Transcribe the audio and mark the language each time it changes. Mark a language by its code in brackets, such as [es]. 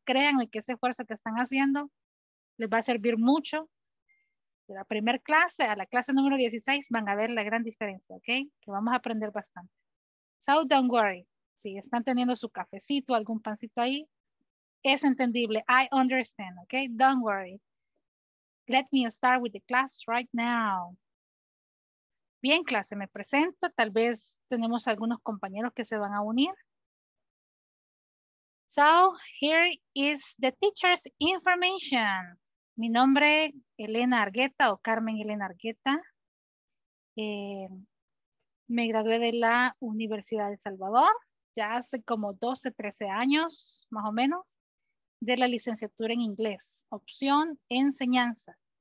[es] Créanme que ese esfuerzo que están haciendo les va a servir mucho. De la primera clase a la clase número 16 van a ver la gran diferencia, ¿ok? Que vamos a aprender bastante. [en] So don't worry. [es] Si están teniendo su cafecito, algún pancito ahí, es entendible. [en] I understand, ok? Don't worry. Let me start with the class right now. [es] Bien, clase, me presento. Tal vez tenemos algunos compañeros que se van a unir. [en] So, here is the teacher's information. [es] Mi nombre, Elena Argueta o Carmen Elena Argueta. Me gradué de la Universidad de El Salvador ya hace como 12, 13 años, más o menos, de la licenciatura en inglés, opción enseñanza.